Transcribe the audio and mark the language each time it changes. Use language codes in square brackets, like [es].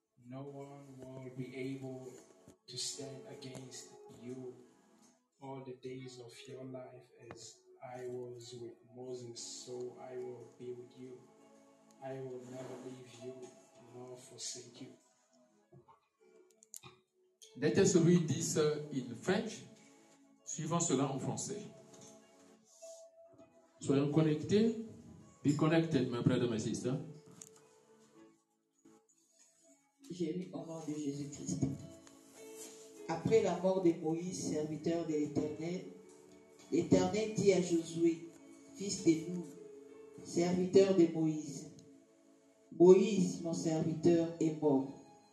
[en] No one will be able to stand against you all the days of your life as I was with Moses, so I will be with you. I will never leave you nor forsake you. [fr] Les textes lui disent [en] in French, [fr] suivant cela en français. Soyons connectés. [en] Be connected, my brother, my sister. [fr] Jérémie, au nom de Jésus-Christ. Après la mort de Moïse, serviteur de l'Éternel, l'Éternel dit à Josué, fils de Nun, serviteur de Moïse, « Moïse, mon serviteur, est mort.